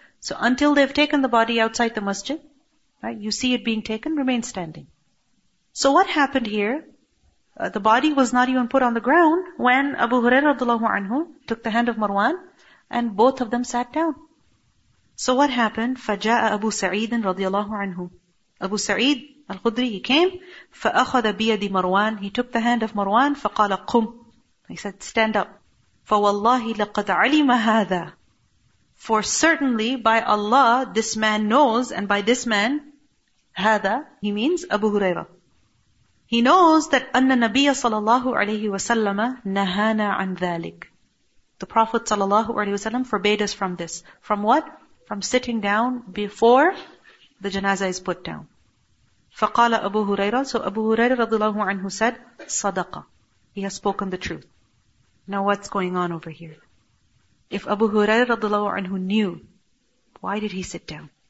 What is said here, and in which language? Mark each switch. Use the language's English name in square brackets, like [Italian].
[English] So until they've taken the body outside the masjid, right, you see it being taken, remain standing. So what happened here? The body was not even put on the ground when Abu Huraira radhiyallahu anhu took the hand of Marwan and both of them sat down. So what happened? [Arabic] فَجَاءَ أَبُو سَعِيدٍ radhiyallahu anhu. [English] Abu Sa'id al-Khudri, he came. [Arabic] فَأَخَذَ بِيَدِ مَرْوَانِ [English] He took the hand of Marwan. [Arabic] فَقَالَ قُمْ [English] He said, stand up. [Arabic] فَوَاللَّهِ لَقَدْ عَلِمَ هَذَا [English] For certainly by Allah this man knows and by this man هذا, he means Abu Huraira. He knows that [Arabic] أَنَّ النَّبِيَ صَلَى اللَّهُ عَلَيْهِ وَسَلَّمَ نَهَانَا عَنْ ذَلِكَ. [English] The Prophet صلى الله عليه وسلم forbade us from this. From what? From sitting down before the janazah is put down. [Arabic] فَقَالَ أَبُو هُرَيْرَةَ. [English] So Abu Huraira رضي الله عنه said, [Arabic] صَدَقَ. [English] He has spoken the truth. Now what's going on over here? If Abu Huraira رضي الله عنه knew, why did he sit down?